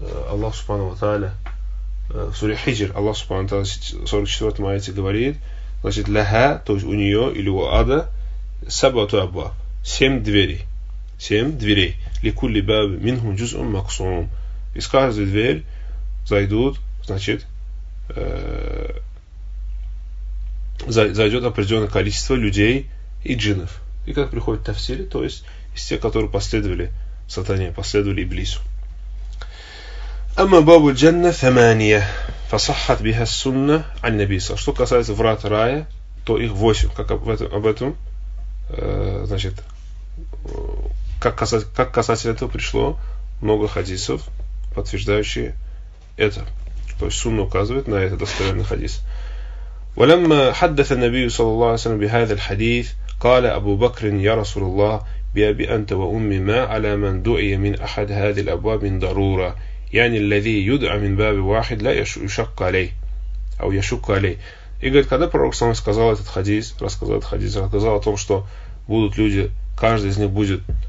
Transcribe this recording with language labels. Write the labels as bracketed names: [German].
[Russian] Аллах Субхану ва Тааля в суре Хиджр, Аллах Субхану ва Тааля в 44 аяте говорит, значит, «Лаха», то есть у нее или у ада, [Arabic] «Сабату абва», [Russian] «Семь дверей», [Arabic] «Ликулли бабы минхум джузун максум». [Russian] Из каждой двери зайдут, значит, зайдет определенное количество людей и джиннов. И как приходит тафсири, то есть из тех, которые последовали сатане, последовали Иблису. [Arabic] أما باب الجنة ثمانية فصحت بها السنة عن النبي صلى الله عليه وسلم. [Russian] Что касается врат рая, то их восемь. Как об этом, значит, как касательно этого пришло много хадисов, подтверждающие это. То есть сунна указывает на этот достоверный хадис. [Arabic] ولما حدث النبي صلى الله عليه وسلم بهذا الحديث قال أبو بكر يا رسول الله بأبي أنت وأمي ما على من دعي من أحد هذه الأبواب من ضرورة يعني الذي يدعى من باب واحد لا يشق عليه أو يشق عليه. [Russian] И говорит, когда пророк сам сказал этот хадис, рассказал этот хадис, рассказал о том, что будут люди, каждый из них будет